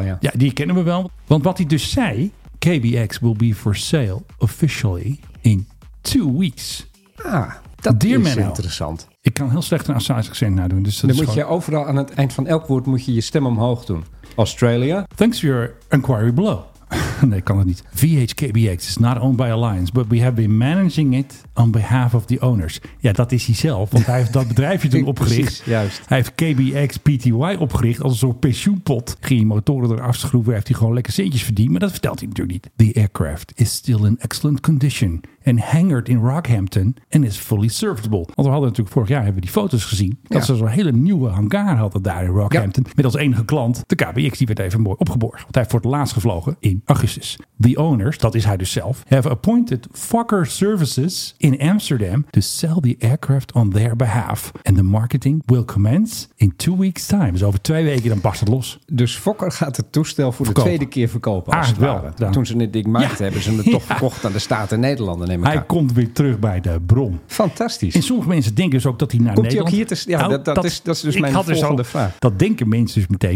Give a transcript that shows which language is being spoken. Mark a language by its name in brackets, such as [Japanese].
[Dutch] Ja, die kennen we wel. Want wat hij dus zei... [English] KBX will be for sale officially in 2 weeks. [Dutch] Ah, dat Dear Menno, interessant. Ik kan heel slecht een Australisch accent nadoen. Dus dan moet je overal aan het eind van elk woord moet je stem omhoog doen. [English] Australia. Thanks for your inquiry below. [Dutch] Nee, kan het niet. [English] VHKBX is not owned by Alliance, but we have been managing it on behalf of the owners. [Dutch] Ja, dat is hij zelf, want hij heeft dat bedrijfje toen opgericht. Precies, juist. Hij heeft KBX Pty opgericht als een soort pensioenpot. Ging die motoren eraf schroeven, heeft hij gewoon lekker centjes verdiend, maar dat vertelt hij natuurlijk niet. [English] The aircraft is still in excellent condition and hangered in Rockhampton and is fully serviceable. [Dutch] Want we hadden natuurlijk vorig jaar, hebben we die foto's gezien, dat ze zo'n hele nieuwe hangar hadden daar in Rockhampton. Ja. Met als enige klant, de KBX, die werd even mooi opgeborgen. Want hij heeft voor het laatst gevlogen in augustus. [English] The owners, [Dutch] dat is hij dus zelf, [English] have appointed Fokker Services in Amsterdam to sell the aircraft on their behalf. And the marketing will commence in 2 weeks' time. [Dutch] Dus over 2 weken dan barst het los. Dus Fokker gaat het toestel voor verkopen. De tweede keer verkopen. Als wel. Dan. Toen ze het ding maakten, hebben ze het toch verkocht aan de Staten Nederlanden. Hij komt weer terug bij de bron. Fantastisch. En sommige mensen denken dus ook dat hij naar komt Nederland... Komt hij ook hier te... Dat is dus mijn volgende vraag. Dat denken mensen dus meteen.